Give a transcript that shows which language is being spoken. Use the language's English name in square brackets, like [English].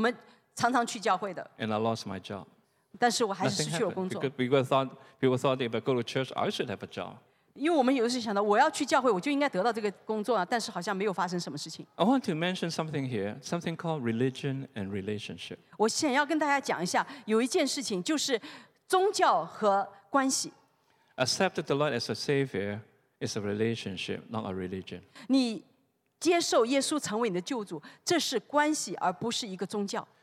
[Chinese] 就好像跟我们的经历一样，我们常常去教会的。 [English] And I lost my job. [Chinese] 但是我还是失去了工作。 [English] People thought if I go to church, I should have a job. [Chinese] 因为我们有时想到我要去教会，我就应该得到这个工作啊，但是好像没有发生什么事情。 [English] I want to mention something here, something called religion and relationship. [Chinese] 我想要跟大家讲一下，有一件事情就是宗教和关系。 [English] Accept the Lord as a Savior is a relationship, not a religion. [Chinese] 你接受耶稣成为你的救主，这是关系，而不是一个宗教。